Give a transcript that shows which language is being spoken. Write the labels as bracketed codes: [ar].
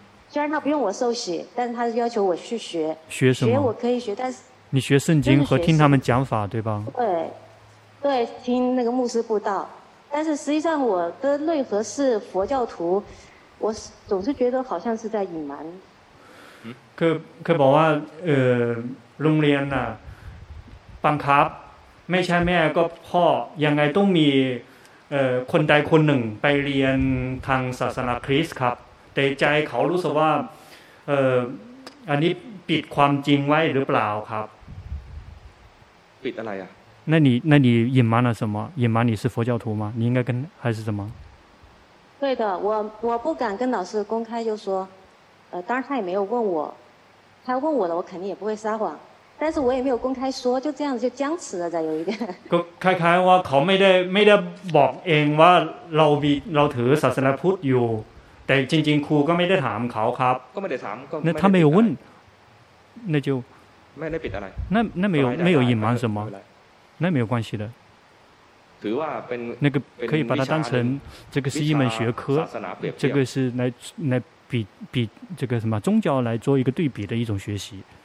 [zh] 虽然他不用我受洗，但是他要求我去学。学什么？学我可以学，但是你学圣经和听他们讲法，对吧？对，对，听那个牧师布道。但是实际上我的内核是佛教徒，我总是觉得好像是在隐瞒。他说 [th] โรงเรียนน่ะบังคับไม่ใช่แม่ก็พ่อยังไงต้องมีคนใดคนหนึ่งไปเรียนทางศาสนาคริสต์ครับแต่ใจเขารู้สึกว่าอันนี้ปิดความจริงไว้หรือเปล่าครับ ปิดอะไรอ่ะ นั่นนี่ [zh] 隐瞒了什么隐瞒你是佛教徒吗你应该跟还是什么对的我不敢跟老师公开就说当然他也没有问我他问我了我肯定也不会撒谎但是我也没有公开说就这样子就僵持了再有一点开开我考没得 [th] บอก เอง ว่า เราถือ ศาสนา พุทธ อยู่ แต่ จริงๆ ครู ก็ ไม่ ได้ ถาม เขา ครับ ก็ ไม่ ได้ ถาม ก็ [zh] 那他没有问那就 [th] ไม่ได้ ปิด อะไร [zh] 那没有隐瞒什么那没有关系的 [th] ถือว่า เป็น [zh] 那个可以把它当成这个是一门学科这个是来比这个什么宗教来做一个对比的一种学习。